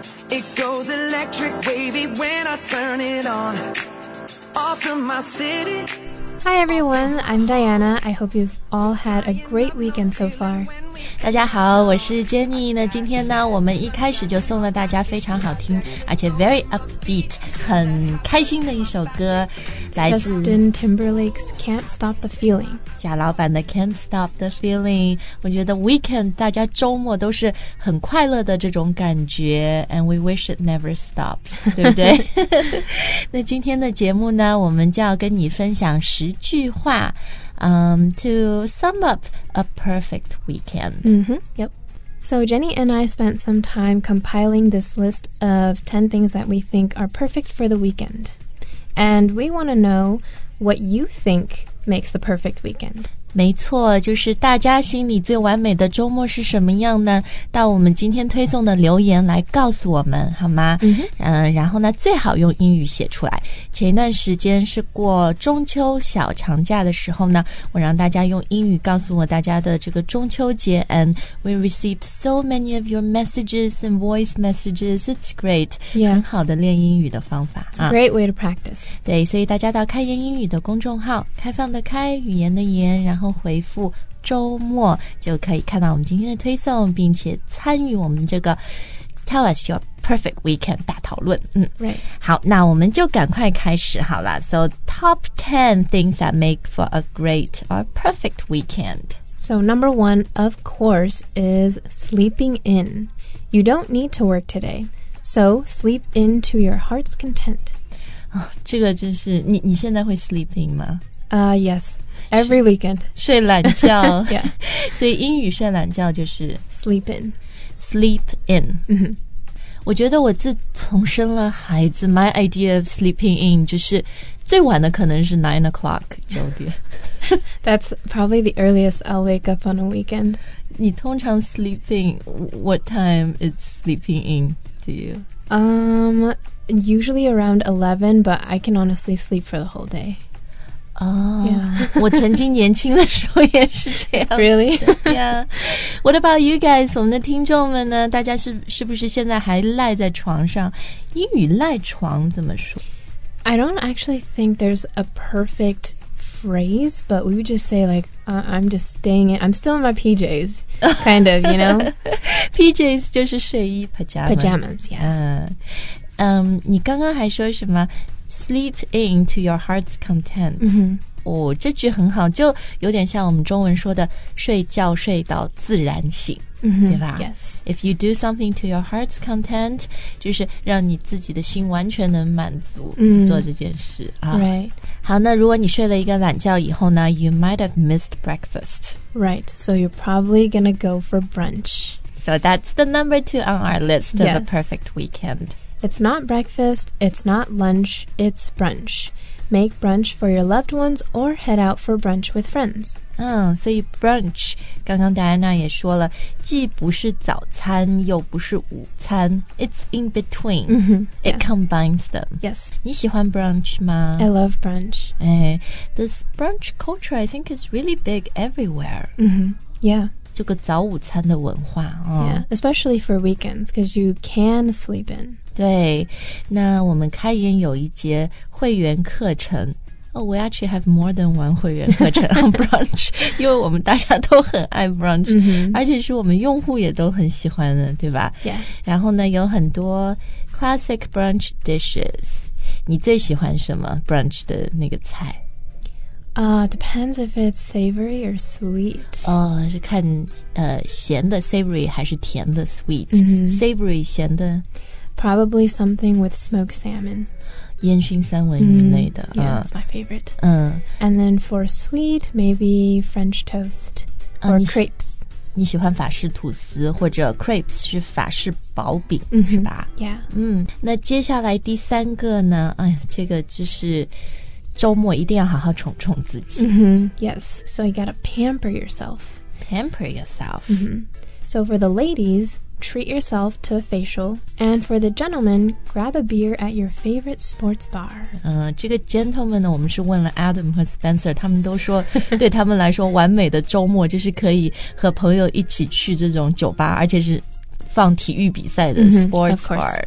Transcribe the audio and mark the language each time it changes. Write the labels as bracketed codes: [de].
[en] It goes electric, wavy when I turn it on. Off to my city. Hi everyone, I'm Diana. I hope you've all had a great weekend so far. [zh] 大家好，我是 Jenny。那今天呢，我们一开始就送了大家非常好听而且 [en] very upbeat [zh] 很开心的一首歌，来自 [en] Justin Timberlake's Can't Stop the Feeling， [zh] 贾老板的 Can't Stop the Feeling。我觉得 weekend 大家周末都是很快乐的这种感觉， [en] and we wish it never stops， [zh] 对不对？那今天的节目呢，我们就要跟你分享十句话， [en] to sum up a perfect weekend. Mm-hmm, yep. So Jenny and I spent some time compiling this list of 10 things that we think are perfect for the weekend. And we want to know what you think makes the perfect weekend. [zh] 没错，就是大家心里最完美的周末是什么样呢？到我们今天推送的留言来告诉我们，好吗？然后呢，最好用英语写出来。前一段时间是过中秋小长假的时候呢，我让大家用英语告诉我大家的这个中秋节。 [en] And we received so many of your messages and voice messages. It's great. Yeah. [zh] 很好的练英语的方法。 [en] It's a great way to practice. [zh] 对，所以大家到开言英语的公众号，开放的开，语言的言，然后回复周末就可以看到我们今天的推送，并且参与我们这个 [en] Tell us your perfect weekend [zh] 大讨论。 [en] Right. [zh] 好，那我们就赶快开始好了。 [en] So top 10 things that make for a great or perfect weekend. So number one, of course, is sleeping in. You don't need to work today, so sleep in to your heart's content. [zh] 这个就是 你现在会 sleep in 吗？ [en] Yes, every weekend. [zh] 睡懒觉。 [en] Yeah. [zh] 所以英语睡懒觉就是 [en] sleep in. Sleep in.、 Mm-hmm. [zh] 我觉得我自从生了孩子 [en] my idea of sleeping in [zh] 就是最晚的可能是 9 o'clock, 九点。 [en] That's probably the earliest I'll wake up on a weekend. [zh] 你通常 [en] sleep in, what time is sleeping in to you? Usually around 11, but I can honestly sleep for the whole day. Yeah. [zh] 我曾经年轻的时候也是这样。 [en] Really? Yeah. What about you guys? [zh] 我们的听众们呢？大家是不是现在还赖在床上？英语赖床怎么说？ [en] I don't actually think there's a perfect phrase, but we would just say like, I'm just staying in. I'm still in my PJs, kind of, you know? [zh] PJs 就是睡衣 pajamas. [en] Pajamas, yeah. [zh] 你刚刚还说什么？ [en] Sleep in to your heart's content. 嗯、mm-hmm. [zh] 哦，这句很好，就有点像我们中文说的睡觉睡到自然醒、 mm-hmm. 对吧 [en] Yes. If you do something to your heart's content, [zh] 就是让你自己的心完全能满足、mm-hmm. 做这件事、啊、 [en] Right. [zh] 好，那如果你睡了一个懒觉以后呢 [en] You might have missed breakfast. Right. So you're probably gonna go for brunch. So that's the number two on our list of、yes. a perfect weekend. It's not breakfast, it's not lunch, it's brunch. Make brunch for your loved ones or head out for brunch with friends. [zh] 所以 brunch, 刚刚 Diana 也说了，既不是早餐又不是午餐。 [en] It's in between. Mm-hmm, yeah. It combines them. Yes. [zh] 你喜欢 brunch 吗? [en] I love brunch. This brunch culture, I think, is really big everywhere. Mm-hmm, yeah. [zh] 这个早午餐的文化、哦、 [en] Yeah, especially for weekends, because you can sleep in. [zh] 对，那我们开言有一节会员课程。 [en] Oh, we actually have more than one [zh] 会员课程 [en] on brunch, [zh] 因为我们大家都很爱 [en] brunch,、 mm-hmm. [zh] 而且是我们用户也都很喜欢的，对吧 [en] ？Yeah. [zh] 然后呢，有很多 classic brunch dishes. 你最喜欢什么 brunch 的那个菜？ [en] Depends if it's savory or sweet. [zh] 是看咸的 savory 还是甜的 sweet.、 Mm-hmm. Savory 咸的 [en] probably something with smoked salmon. [zh] 烟熏三文鱼类的。 [en] Mm-hmm. Yeah, it's my favorite. And then for sweet, maybe French toast or crepes. [zh] 你喜欢法式吐司或者 crepes 是法式薄饼、 mm-hmm. 是吧 [en] ？Yeah. [zh] 那接下来第三个呢？哎呀，这个就是。周末一定要好好宠宠自己。 Mm-hmm. [en] Yes, so you gotta pamper yourself. Pamper yourself. Mm-hmm. So for the ladies, treat yourself to a facial. And for the gentleman, grab a beer at your favorite sports bar. [zh] 这个 gentleman 呢，我们是问了 Adam 和 Spencer， 他们都说对他们来说完美的周末就是可以和朋友一起去这种酒吧，而且是放体育比赛的 sports bar。